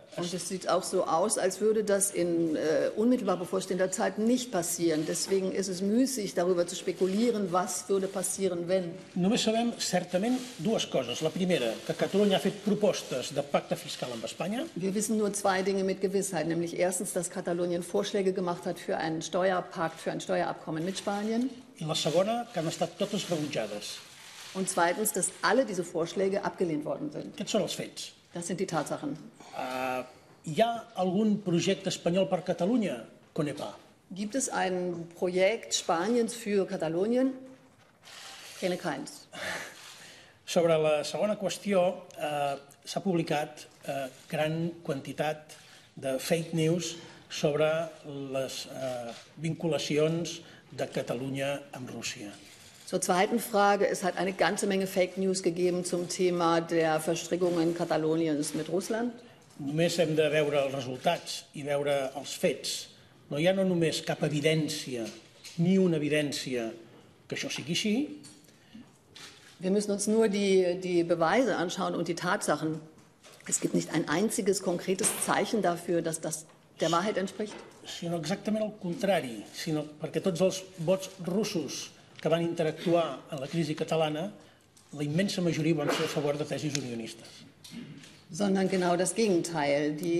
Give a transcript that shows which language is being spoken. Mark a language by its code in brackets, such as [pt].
[de] Und es sieht auch so aus, als würde das in unmittelbar bevorstehender Zeit nicht passieren. Deswegen ist es müßig, darüber zu spekulieren, was würde passieren, wenn. [ca] Només sabem, certament, dues coses. La primera, que Catalunya ha fet propostes de pacte fiscal amb Espanya. [de] Wir wissen nur zwei Dinge mit Gewissheit, nämlich erstens, dass Katalonien Vorschläge gemacht hat für einen Steuerpakt, für ein Steuerabkommen mit Spanien. [ca] I la segona, que han estat totes rebutjades. [de] Und zweitens, dass alle diese Vorschläge abgelehnt worden sind. [ca] Aquests són els fets. [de] Das sind die Tatsachen. [ca] Hi ha algun projecte espanyol per Catalunya, CONEPA? [de] Gibt es ein Projekt Spaniens für Katalonien? Kenne keins. [ca] Sobre la segona qüestió, s'ha publicat gran quantitat de fake news sobre les vinculacions de Catalunya amb Rússia. [de] Zur zweiten Frage, es hat eine ganze Menge Fake News gegeben zum Thema der Verstrickungen Kataloniens mit Russland. [ca] Només hem de veure els resultats i veure els fets. No hi ha no només cap evidència, ni una evidència que això sigui així. [de] Wir müssen uns nur die Beweise anschauen und die Tatsachen. Es gibt nicht ein einziges konkretes Zeichen dafür, dass das der Wahrheit entspricht. [ca] Sinó exactament el contrari, sinó perquè tots els vots russos que van interactuar en la crisi catalana, la immensa majoria van ser a favor de tesis unionistes. [de] Sondern genau das Gegenteil.